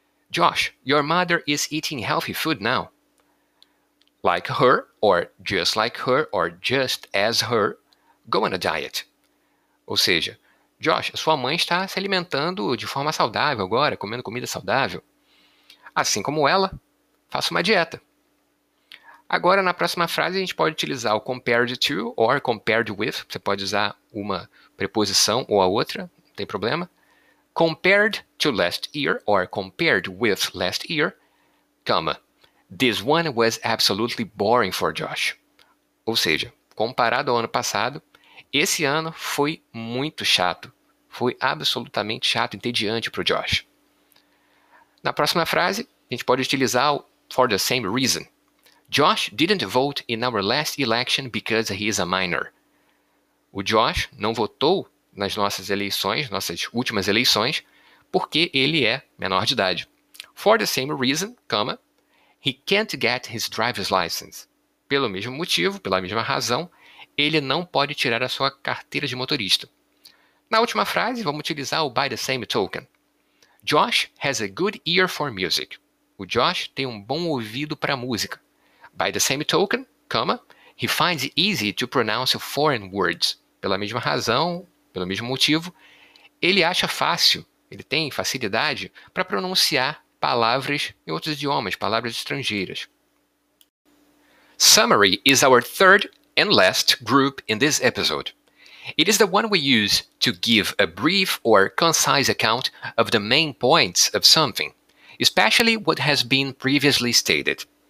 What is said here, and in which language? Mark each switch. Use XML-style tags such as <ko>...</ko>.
<en>Josh, your mother is eating healthy food now. Like her, or just like her, or just as her, go on a diet.</en> <pt>Ou seja, Josh, sua mãe está se alimentando de forma saudável agora, comendo comida saudável. Assim como ela, faça uma dieta. Agora, na próxima frase, a gente pode utilizar o</pt> <en>compared to or compared with.</en> <pt>Você pode usar uma preposição ou a outra, não tem problema.</pt> <en>Compared to last year or compared with last year, comma. This one was absolutely boring for Josh.</en> <pt>Ou seja, comparado ao ano passado, esse ano foi muito chato. Foi absolutamente chato, entediante para o Josh. Na próxima frase, a gente pode utilizar o</pt> <en>for the same reason. Josh didn't vote in our last election because he is a minor.</en> <pt>O Josh não votou nas nossas eleições, nossas últimas eleições, porque ele é menor de idade.</pt> <en>For the same reason, comma, he can't get his driver's license.</en> <pt>Pelo mesmo motivo, pela mesma razão, ele não pode tirar a sua carteira de motorista. Na última frase, vamos utilizar o</pt> <en>by the same token. Josh has a good ear for music.</en> <pt>O Josh tem um bom ouvido para música.</pt> <en>By the same token, comma, he finds it easy to pronounce foreign words.</en> <pt>Pela mesma razão, pelo mesmo motivo, ele acha fácil, ele tem facilidade para pronunciar palavras em outros idiomas, palavras estrangeiras.</pt> <en>Summary is our third and last group in this episode. It is the one we use to give a brief or concise account of the main points of something, especially what has been previously stated.</en>